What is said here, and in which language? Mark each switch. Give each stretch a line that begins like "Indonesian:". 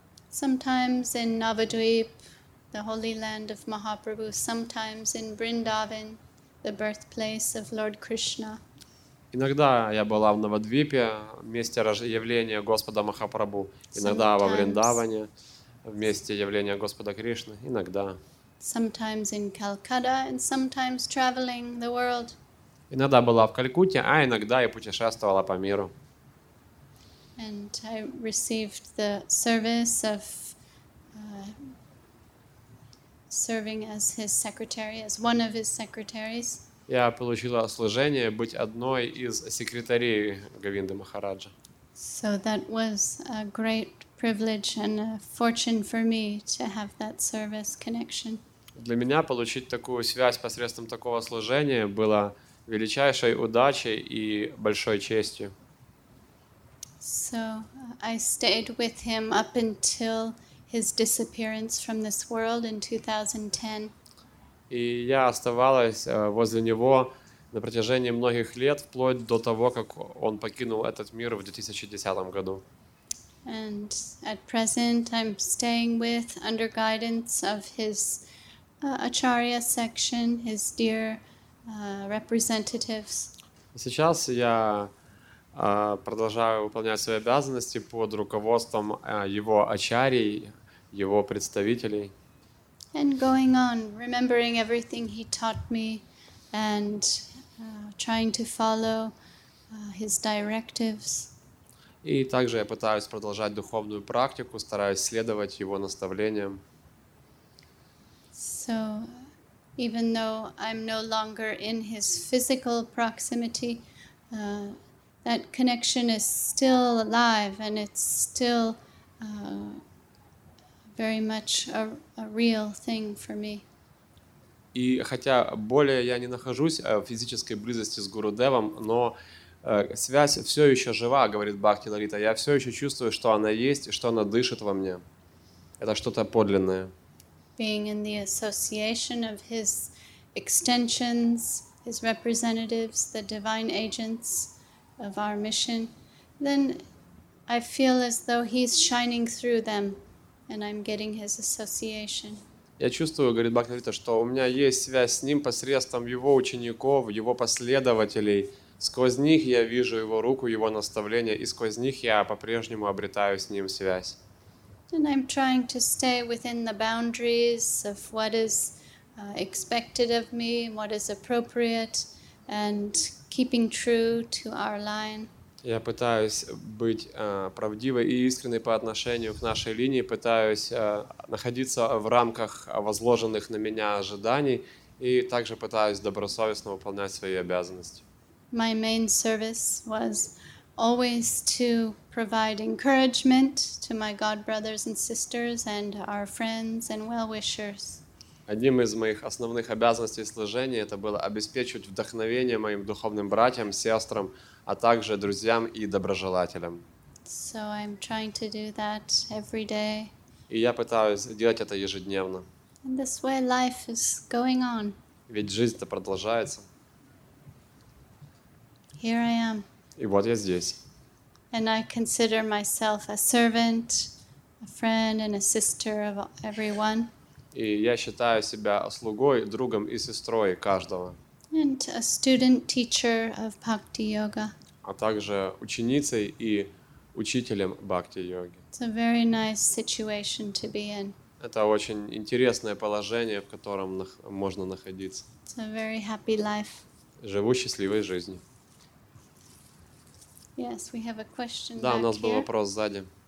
English: Sometimes in Navadvip, the holy land of Mahaprabhu, sometimes in Vrindavan, the birthplace of Lord Krishna.
Russian: Иногда я была в Навадвипе, месте явления Господа Махапрабху, иногда во Вриндаване, месте явления Господа Кришны, иногда.
English: Sometimes in Calcutta and sometimes traveling the world.
Russian: Иногда была в Калькутте, а иногда и путешествовала по миру.
English: And I received the service of serving as his secretary, as one of his secretaries.
Russian: Я получила служение быть одной из секретарей Говинды Махараджа.
English: So that was a great privilege and a fortune for me to have that service connection.
Russian: Для меня получить такую связь посредством такого служения было величайшей удачей и большой честью.
English: So I stayed with him up until his disappearance from this world in 2010.
Russian: И я оставалась возле него на протяжении многих лет, вплоть до того, как он покинул этот мир в 2010 году.
English: And at present I'm staying with, under guidance of his Acharya section, his dear representatives.
Russian: Сейчас я продолжаю выполнять свои обязанности под руководством его ачарий, его представителей.
English: And going on, remembering everything he taught me and trying to follow his directives.
Russian: И также я пытаюсь продолжать духовную практику, стараюсь следовать его наставлениям.
English: So, even though I'm no longer in his physical proximity, that connection is still alive and it's still very much a real thing for me.
Russian: И хотя более я не нахожусь в физической близости с Гурудевом, но связь все еще жива, говорит Бхакти Лалита. Я все еще чувствую, что она есть, что она дышит во мне. Это что-то подлинное.
English: Being in the association of his extensions, his representatives, the divine agents of our mission, then I feel as though he's shining through them, and I'm getting his association.
Russian: Я чувствую, говорит Бхакти Лалита, что у меня есть связь с ним посредством его учеников, его последователей. Сквозь них я вижу его руку, его наставления, и сквозь них я по-прежнему обретаю с ним связь.
English: And I'm trying to stay within the boundaries of what is expected of me, what is appropriate, and keeping true to our line.
Russian: Я пытаюсь быть правдивой и искренней по отношению к нашей линии, пытаюсь находиться в рамках возложенных на меня ожиданий и также пытаюсь добросовестно выполнять свои обязанности.
English: My main service was always to provide encouragement to my god brothers and sisters and our friends and well-wishers.
Russian: Одним из моих основных обязанностей служения это было обеспечивать вдохновение моим духовным братьям, сестрам, а также друзьям и доброжелателям.
English: So I'm trying to do that every day.
Russian: И я пытаюсь делать это ежедневно.
English: And this way life is going on.
Russian: Ведь жизнь-то продолжается.
English: Here I am.
Russian: И вот я здесь.
English: And I consider myself a servant, a friend, and a sister of everyone.
Russian: И я считаю себя слугой, другом и сестрой каждого.
English: And a student teacher of Bhakti Yoga.
Russian: А также ученицей и учителем Бхакти Йоги.
English: It's a very nice situation to be in.
Russian: Это очень интересное положение, в котором можно находиться.
English: It's a very happy life.
Russian: Живу счастливой жизнью.
English: Yes, we have a question.
Russian: Да,
English: back
Russian: у нас
English: here.
Russian: Был вопрос сзади.